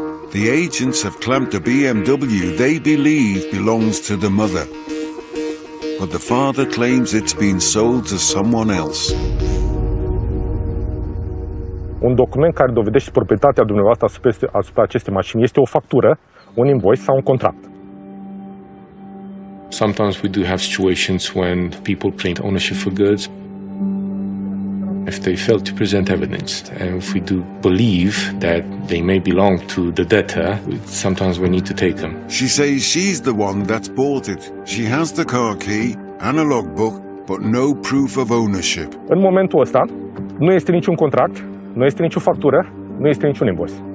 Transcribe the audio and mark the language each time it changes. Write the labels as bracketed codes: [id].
[en] The agents have clamped a BMW they believe belongs to the mother. But the father claims it's been sold to someone else. [ro] Un document care dovedește proprietatea dumneavoastră asupra acestei mașini este o factură, un invoice sau un contract. [en] Sometimes we do have situations when people claim ownership for goods. If they fail to present evidence, and if we do believe that they may belong to the debtor, sometimes we need to take them. She says she's the one that's bought it. She has the car key and a logbook, but no proof of ownership. [ro] În momentul ăsta, nu este niciun contract, nu este nicio factură, nu este niciun invoice.